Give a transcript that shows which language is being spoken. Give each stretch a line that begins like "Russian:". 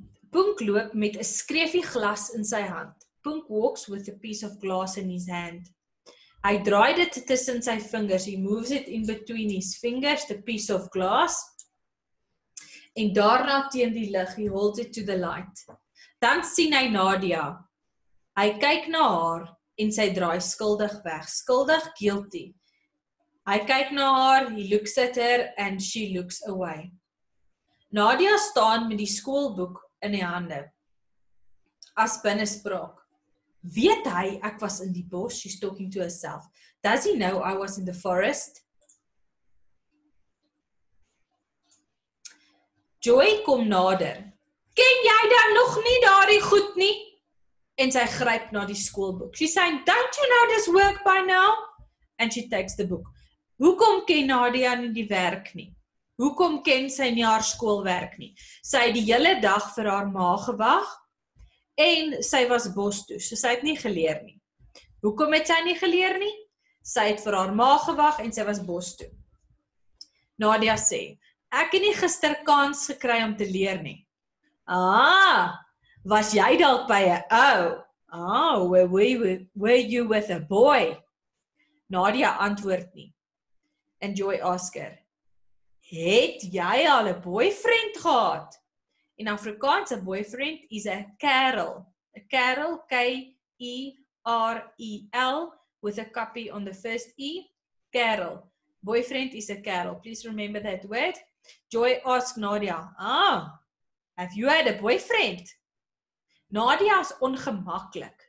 Afrikaans: Bunk loop met 'n skreefie glas in sy hand.
English: Bunk walks with a piece of glass in his hand.
Afrikaans: Hy draai dit tussen sy vingers.
English: He moves it in between his fingers, the piece of glass.
Afrikaans: En daarna teen die lig,
English: he holds it to the light.
Afrikaans: Dan sien hy Nadia. Hy kyk na haar en sy draai skuldig weg. Skuldig, guilty. Hy kyk na haar,
English: he looks at her and she looks away.
Afrikaans: Nadia staan met die skoolboek in die hande. As binnenspraak. Weet hy, ek was in die bos,
English: she's talking to herself. Does he know I was in the forest?
Afrikaans: Joy kom nader. Ken jy dan nog nie daardie goed nie? En sy gryp na die skoolboek.
English: She's saying, don't you know this work by now? And she takes the book.
Afrikaans: Hoekom ken Nadia nie die werk nie? Hoekom ken sy nie haar skoolwerk nie? Sy het die hele dag vir haar ma gewag. En sy was bos toe, so sy het nie geleer nie. Hoekom het sy nie geleer nie? Sy het vir haar ma gewag en sy was bos toe. Nadia sê, ek het nie gister kans gekry om te leer nie. Ah, was jy dalk by 'n ou?
English: Ah, were you with a boy?
Afrikaans: Nadia antwoord nie. En Joy Oscar, het jy al 'n boyfriend gehad?
English: In Afrikaans, a boyfriend is a kerel. A kerel, K-E-R-E-L, with a copy on the first E, kerel. Boyfriend is a kerel. Please remember that word. Joy asks Nadia, ah, have you had a boyfriend?
Afrikaans: Nadia is ongemakkelijk.